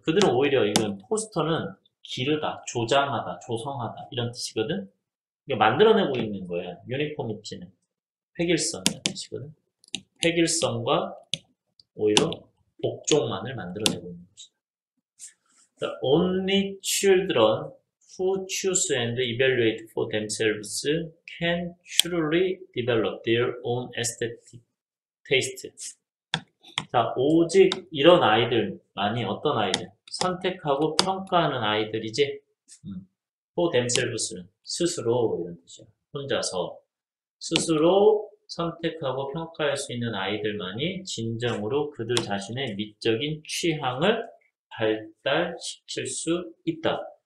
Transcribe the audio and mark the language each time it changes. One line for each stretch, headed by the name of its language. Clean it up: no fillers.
Korean: 그들은 오히려 이건 포스터는 기르다, 조장하다, 조성하다 이런 뜻이거든. 이게 만들어내고 있는 거야. uniformity는 획일성이라는 뜻이거든. 획일성과 오히려 복종만을 만들어내고 있는 것이다.
English: The only children who choose and evaluate for themselves can truly develop their own aesthetic taste.
Korean: 자, 오직 이런 아이들만이, 어떤 아이들? 선택하고 평가하는 아이들이지.
English: For themselves
Korean: 는 스스로, 이런 뜻이야. 혼자서 스스로 선택하고 평가할 수 있는 아이들만이 진정으로 그들 자신의 미적인 취향을 발달시킬 수 있다.